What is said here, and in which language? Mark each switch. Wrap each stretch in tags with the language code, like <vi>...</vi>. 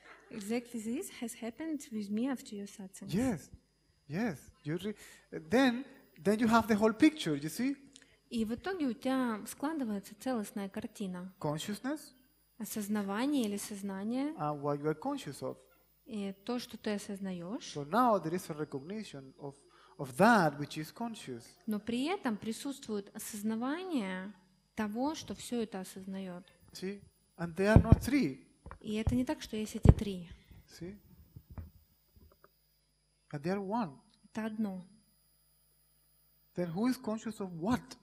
<en>Exactly this has happened with me after your satsang. Yes. Yes. Then you have the whole picture, you see?</en> <ru>И в итоге у тебя складывается целостная картина.</ru> <en>Consciousness?</en> <ru>Осознавание или сознание?</ru> <en>And what you are conscious of.</en> <ru>И то, что ты осознаешь.</ru> <en>So now there is a recognition of that which is conscious.</en> <ru>Но при этом присутствует осознавание того, что все это осознает.</ru> <en>See? And they are not three.</en> <ru>И это не так, что есть эти три.</ru> <en>See? And they are one.</en> <ru>Это одно.</ru> <en>Then who is conscious of what?</en>